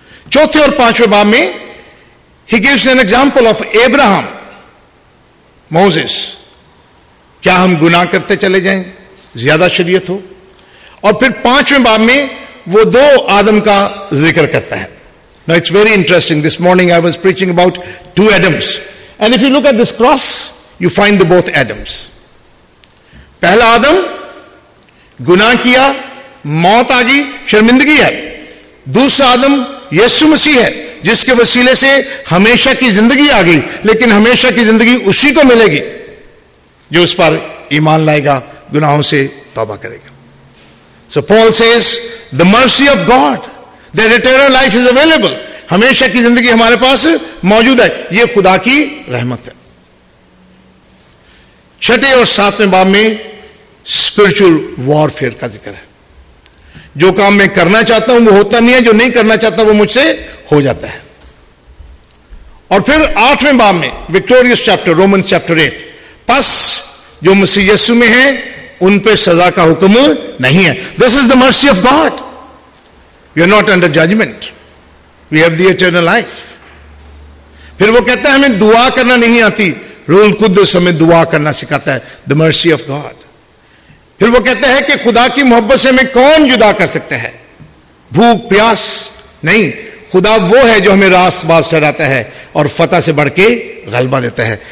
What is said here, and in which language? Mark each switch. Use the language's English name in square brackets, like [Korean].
[Urdu] چوتھے اور پانچویں باب میں he [English] gives an example of [Urdu] Abraham, موسیس. کیا ہم گناہ کرتے چلے جائیں، زیادہ شریعت ہو. اور پھر پانچویں باب میں وہ دو آدم کا ذکر کرتا ہے. [English] Now it's very interesting. This morning I was preaching about two Adams. And if you look at this cross, you find the both Adams. [Urdu] پہلا آدم گناہ کیا، موت آ گئی، شرمندگی ہے. دوسرا آدم یسو مسیح ہے جس کے وسیلے سے ہمیشہ کی زندگی آ گئی، لیکن ہمیشہ کی زندگی اسی کو ملے گی جو اس پر ایمان لائے گا، گناہوں سے توبہ کرے گا. [English] So Paul says the mercy of God, that eternal life is available. [Urdu] ہمیشہ کی زندگی ہمارے پاس موجود ہے، یہ خدا کی رحمت ہے. چھٹے اور ساتویں باب میں اسپرچل وارفیئر کا ذکر ہے. جو کام میں کرنا چاہتا ہوں وہ ہوتا نہیں ہے، جو نہیں کرنا چاہتا وہ مجھ سے ہو جاتا ہے. اور پھر آٹھویں باب میں [English] victorious chapter, Roman chapter [Urdu] 8، پس جو مسیح یسو میں ہیں ان پہ سزا کا حکم نہیں ہے. [English] This is the mercy of God, we are not under judgment, we have the eternal life. [Urdu] پھر وہ کہتا ہے ہمیں دعا کرنا نہیں آتی، رول قدس ہمیں دعا کرنا سکھاتا ہے، [English] The mercy of God. [Urdu] پھر وہ کہتا ہے کہ خدا کی محبت سے ہمیں کون جدا کر سکتا ہے؟ بھوک پیاس نہیں، خدا وہ ہے جو ہمیں راس باز چڑھاتا ہے اور فتح سے بڑھ کے غلبہ دیتا ہے.